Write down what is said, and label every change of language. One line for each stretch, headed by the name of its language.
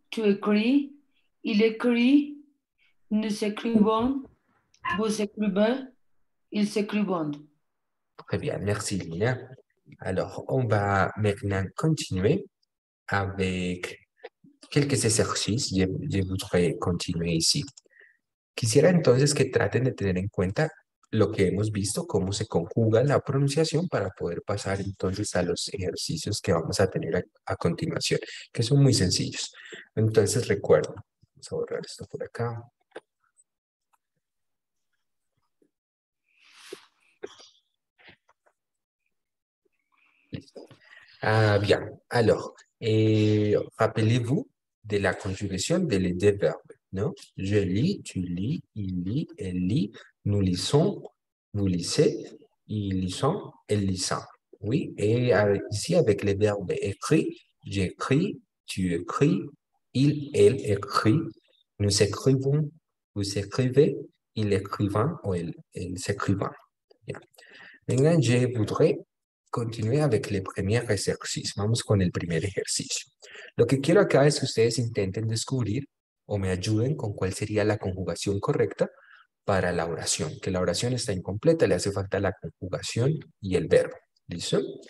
French: Tu écris, il écrit, nous écrivons, vous écrivez, ils écrivent. Très bien, merci Lina. Alors, on va maintenant continuer avec quelques exercices. Je voudrais continuer ici.
Spanish: Quisiera entonces que traten de tener en cuenta lo que hemos visto, cómo se conjuga la pronunciación para poder pasar entonces a los ejercicios que vamos a tener a continuación, que son muy sencillos. Entonces, recuerden, vamos a borrar esto por acá.
French: Ah, bien. Alors, rappelez-vous de la conjugación de les deux verbes, ¿no? Je lis, tu lis, il lit, elle lit, nous lisons, vous lisez, ils lisent, elles lisent. Oui, et ici avec les verbes écrit, j'écris, tu écris, il, elle écrit, nous écrivons, vous écrivez, il écrivain ou elle s'écrivain. Bien. Maintenant, je voudrais continuer avec le premier exercice.
Spanish: Vamos con el primer ejercicio. Lo que quiero acá es que ustedes intenten descubrir o me ayuden con cuál sería la conjugación correcta para la oración. Que la oración está incompleta, le hace falta la conjugación y el verbo. ¿Listo?